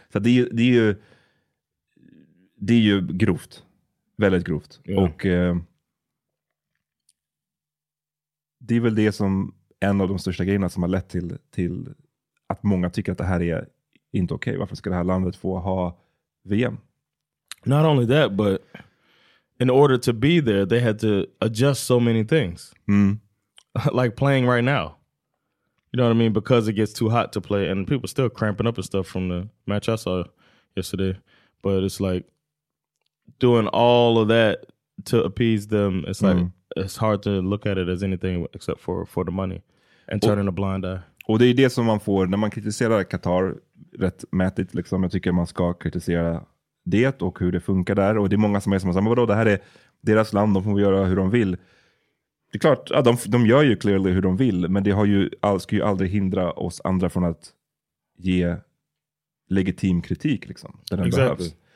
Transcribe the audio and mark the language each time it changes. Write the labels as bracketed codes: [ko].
[sv] Så det är ju grovt. Väldigt grovt. [en] Yeah. [sv] Och det är väl det som en av de största grejerna som har lett till att många tycker att det här är inte okej. Varför ska det här landet få ha VM? [en] Not only that, but in order to be there, they had to adjust so many things. Like playing right now. You know what I mean? Because it gets too hot to play and people are still cramping up and stuff from the match I saw yesterday. But it's like doing all of that to appease them. It's like, it's hard to look at it as anything except for the money and turning a blind eye. [sv] Och det är det som man får när man kritiserar Qatar rätt mätigt liksom. Jag tycker man ska kritisera det och hur det funkar där, och det är många som är som säger, men vadå, det här är deras land, de får göra hur de vill. Det är klart, ja, de gör ju [en] clearly [sv] hur de vill, men det har ju ska ju aldrig hindra oss andra från att ge legitim kritik liksom där den behövs.